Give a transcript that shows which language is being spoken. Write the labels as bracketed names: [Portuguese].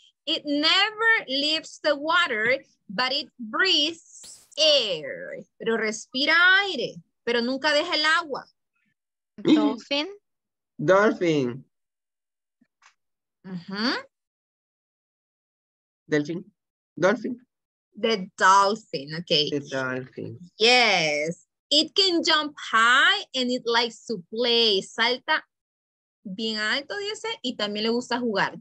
[English] It never leaves the water, but it breathes air. [Spanish] Pero respira aire, pero nunca deja el agua. [English] Dolphin. Dolphin. Dolphin. Dolphin. The dolphin, okay. The dolphin. Yes. It can jump high and it likes to play. [Spanish] Salta bien alto, dice, y también le gusta jugar.